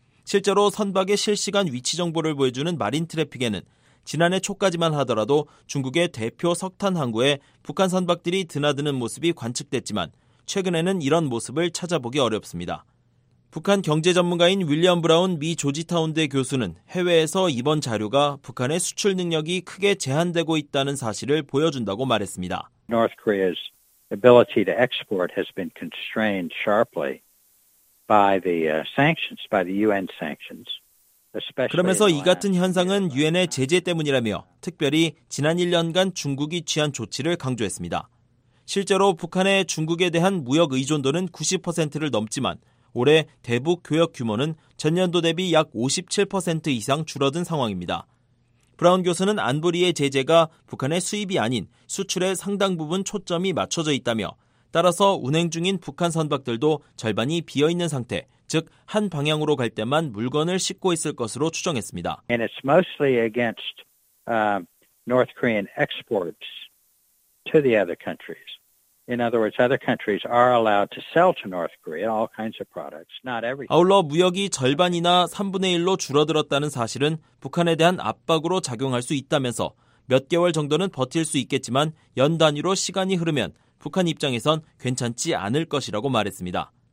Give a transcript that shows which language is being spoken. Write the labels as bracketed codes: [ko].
[ko] 실제로 선박의 실시간 위치 정보를 보여주는 마린 트래픽에는 지난해 초까지만 하더라도 중국의 대표 석탄 항구에 북한 선박들이 드나드는 모습이 관측됐지만 최근에는 이런 모습을 찾아보기 어렵습니다. 북한 경제 전문가인 윌리엄 브라운 미 조지타운대 교수는 해외에서 이번 자료가 북한의 수출 능력이 크게 제한되고 있다는 사실을 보여준다고 말했습니다. [en] North Korea's ability to export has been constrained sharply by the sanctions, by the UN sanctions. [ko] 그러면서 이 같은 현상은 유엔의 제재 때문이라며 특별히 지난 1년간 중국이 취한 조치를 강조했습니다. 실제로 북한의 중국에 대한 무역 의존도는 90%를 넘지만 올해 대북 교역 규모는 전년도 대비 약 57% 이상 줄어든 상황입니다. 브라운 교수는 안보리의 제재가 북한의 수입이 아닌 수출의 상당 부분 초점이 맞춰져 있다며 따라서 운행 중인 북한 선박들도 절반이 비어있는 상태, 즉 한 방향으로 갈 때만 물건을 싣고 있을 것으로 추정했습니다. [en] And it's mostly against North Korean exports to the other countries. In other words, other countries are allowed to sell to North Korea all kinds of products, not everything. [ko] 아울러 무역이 절반이나 3분의 1로 줄어들었다는 사실은 북한에 대한 압박으로 작용할 수 있다면서 몇 개월 정도는 버틸 수 있겠지만 연 단위로 시간이 흐르면 북한 입장에선 괜찮지 않을 것이라고 말했습니다.